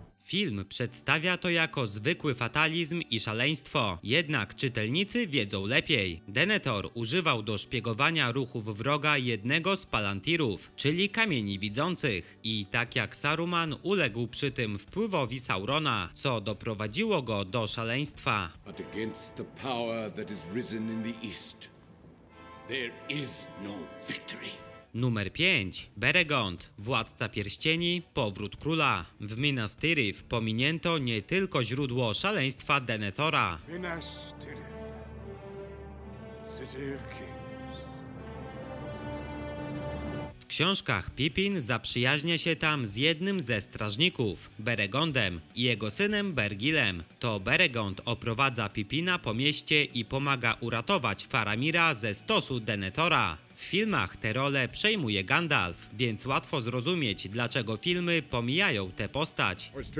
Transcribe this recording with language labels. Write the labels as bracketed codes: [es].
[pl] Film przedstawia to jako zwykły fatalizm i szaleństwo, jednak czytelnicy wiedzą lepiej. Denethor używał do szpiegowania ruchów wroga jednego z Palantirów, czyli Kamieni Widzących, i tak jak Saruman uległ przy tym wpływowi Saurona, co doprowadziło go do szaleństwa. [en] But against the power that has risen in the east, there is no victory. [pl] Numer 5. Beregond, Władca Pierścieni, Powrót Króla. W Minas Tirith pominięto nie tylko źródło szaleństwa Denethora. [en] Minas Tirith, City of Kings. [pl] W książkach Pippin zaprzyjaźnia się tam z jednym ze strażników, Beregondem, i jego synem Bergilem. To Beregond oprowadza Pippina po mieście i pomaga uratować Faramira ze stosu Denethora. W filmach tę rolę przejmuje Gandalf, więc łatwo zrozumieć, dlaczego filmy pomijają tę postać.